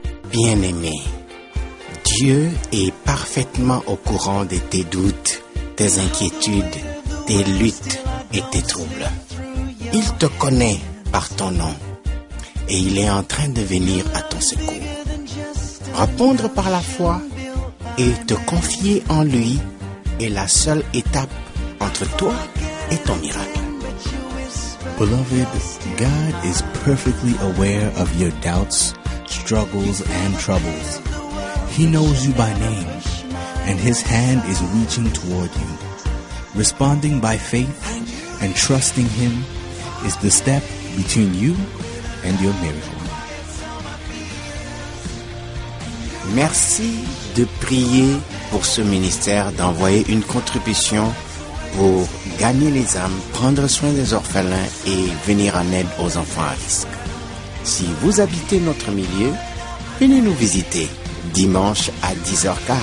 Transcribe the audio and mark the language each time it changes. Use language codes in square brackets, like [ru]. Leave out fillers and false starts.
[fr] Bien-aimé, Dieu est parfaitement au courant de tes doutes, tes inquiétudes, tes luttes et tes troubles. Il te connaît par ton nom et il est en train de venir à ton secours. Répondre par la foi et te confier en lui est la seule étape entre toi et ton miracle. [en] Beloved, God is perfectly aware of your doubts, struggles, and troubles. He knows you by name, and His hand is reaching toward you. Responding by faith and trusting Him is the step between you and your miracle. [fr] Merci de prier pour ce ministère, d'envoyer une contribution pour gagner les âmes, prendre soin des orphelins et venir en aide aux enfants à risque. Si vous habitez notre milieu, venez nous visiter dimanche à 10h15.